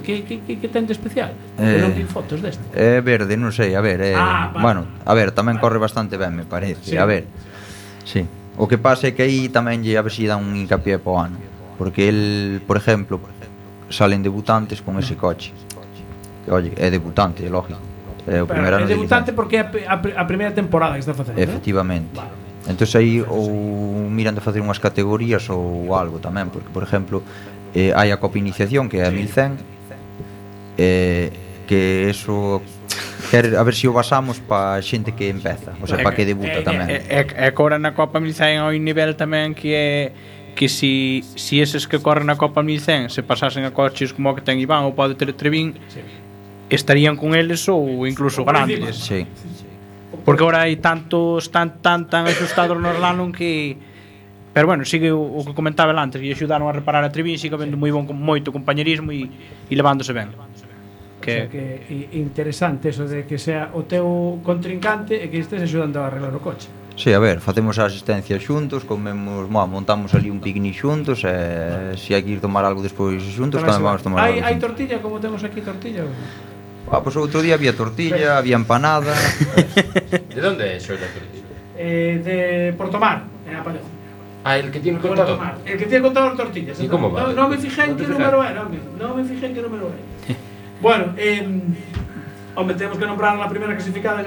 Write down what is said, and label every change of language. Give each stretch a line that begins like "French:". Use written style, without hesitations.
Galician: Que ten de especial? Non ten fotos deste? É verde, non sei, a ver. Bueno, a ver, tamén corre bastante ben, me parece. Sí. A ver, sí. O que pasa é que aí tamén lle a ver se dá un hincapié para o ano, porque el, por exemplo, salen debutantes con ese coche. Oye, é debutante, é lógico. É o primeiro ano. É debutante porque é a primeira temporada que está facendo. Efectivamente. ¿Eh? Entón aí ou miran de facer unhas categorías ou algo tamén, porque por exemplo, hai a Copa Iniciación, que é a 1100, que eso quer a ver se o basamos para xente que empeza, o sea, para que debuta tamén. É cobra na Copa 1100 ao nivel tamén que é que si eses que corren na Copa 1100 se pasasen a coches como o que ten Iván ou pode ter Trevín, estarían con eles ou incluso grandes. Sí. Porque agora hai tantos tan asustados no slalom que, pero bueno, sigue o que comentaba antes, que axudaron a reparar a Trevín, sigue vendo moi bon moito compañerismo e levándose ben. Que... O sea, que interesante eso de que sea o teu contrincante e que estés ajudando a arreglar o coche. Sí, a ver, facemos a asistencia xuntos, comemos, montamos ali un picnic xuntos, e si hai que ir tomar algo despois xuntos, tamén vamos tomar. Hai tortilla, como temos aquí tortilla. Ah, pois outro día había tortilla, había empanada. De onde é xa a tortilla? De Porto Mar, en Apalejo.
Spanish: Ah, el que tiene el contador. El que tiene contador tortillas. ¿Y cómo va? No me fijé en qué número era, hombre. No me fijé en qué número era. Bueno, hombre, tenemos que nombrar a la primera clasificada.